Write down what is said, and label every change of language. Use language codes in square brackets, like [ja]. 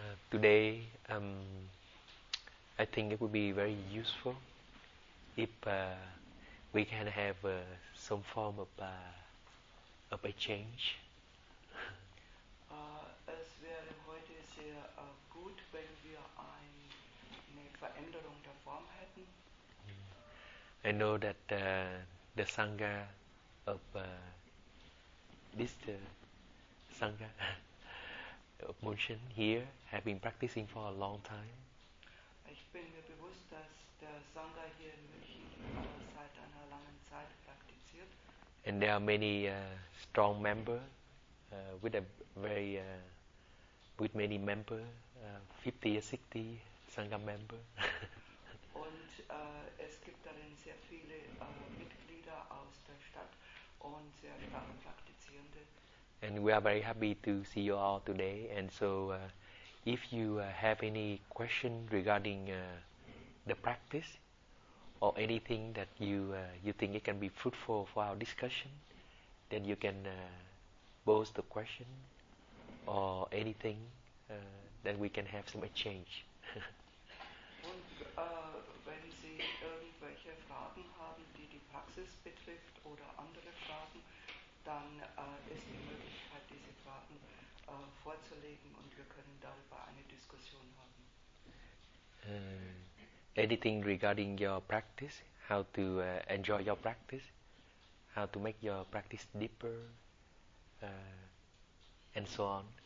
[en] Today, I think it would be very useful if we can have some form of exchange. [de] Es wäre heute sehr gut, wenn wir eine Veränderung der Form hätten. [en] I know that the Sangha of this Sangha of Munshin here have been practicing for a long time. [de] Ich bin mir bewusst, dass der Sangha hier in München seit einer langen Zeit praktiziert. [en] And there are many strong members with a very with many members, 50 or 60 Sangha members. [de] Und es gibt darin sehr viele Mitglieder aus der Stadt und sehr starke Praktizierende. [en] And we are very happy to see you all today. And so if you have any question regarding the practice or anything that you think it can be fruitful for our discussion, then you can pose the question or anything, then we can have some exchange. [de] Und wenn Sie irgendwelche Fragen haben, die die Praxis betrifft oder andere Fragen, dann ist die Möglichkeit, diese Fragen vorzulegen und wir können darüber eine Diskussion haben. [en] Anything regarding your practice, how to enjoy your practice, how to make your practice deeper, and so on.